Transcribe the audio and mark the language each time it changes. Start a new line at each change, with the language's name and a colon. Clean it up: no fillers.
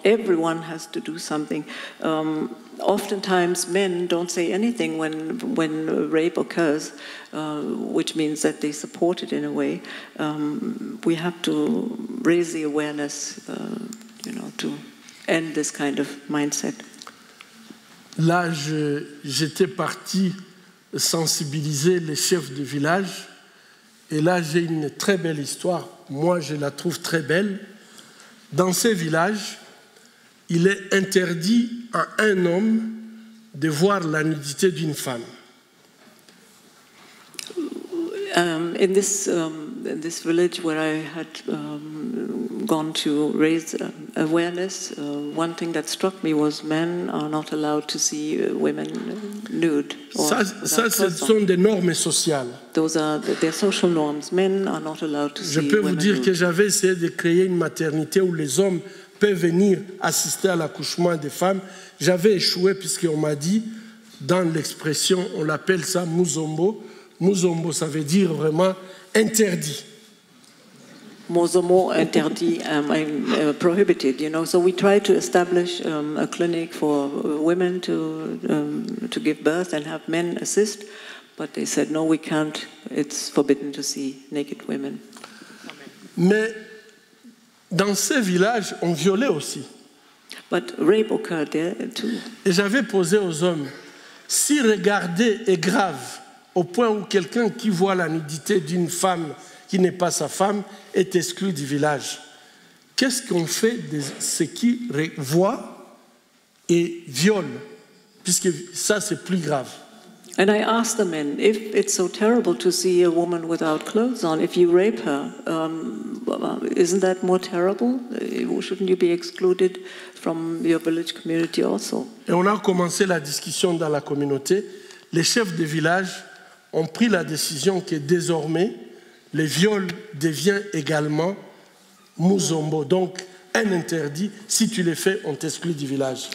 English: Everyone has to do something. Oftentimes, men don't say anything when rape occurs, which means that they support it in a way. We have to raise the awareness, to end this kind of mindset.
French: Là, j'étais parti sensibiliser les chefs de village. Et là, j'ai une très belle histoire. Moi, je la trouve très belle. Dans ces villages, il est interdit à un homme de voir la nudité d'une femme.
English: In this village where I had gone to raise awareness, one thing that struck me was men are not allowed to see women nude.
French: Ce sont des normes sociales.
English: Those are their social norms. Men are not allowed to see women nude.
French: Je peux vous dire que j'avais essayé de créer une maternité où les hommes peuvent venir assister à l'accouchement des femmes. J'avais échoué puisqu'on m'a dit, dans l'expression, on l'appelle ça muzombo. Muzombo, ça veut dire vraiment interdit.
English: Muzombo, interdit, prohibited, you know. So we tried to establish a clinic for women to give birth and have men assist, but they said, no, we can't, it's forbidden to see naked women.
French: Mais dans ces villages, on violait aussi.
English: But rape occurred there too.
French: Et j'avais posé aux hommes, si regarder est grave, au point où quelqu'un qui voit la nudité d'une femme qui n'est pas sa femme est exclu du village. Qu'est-ce qu'on fait de ce qui voit et viole, puisque ça c'est plus grave.
English: And I asked the men, if it's so terrible to see a woman without clothes on, if you rape her, isn't that more terrible? Shouldn't you be excluded from your village community also?
French: Et on a commencé la discussion dans la communauté. Les chefs de village ont pris la décision que désormais, le viol devient également muzombo, donc un interdit. Si tu les fais, on t'exclut du village.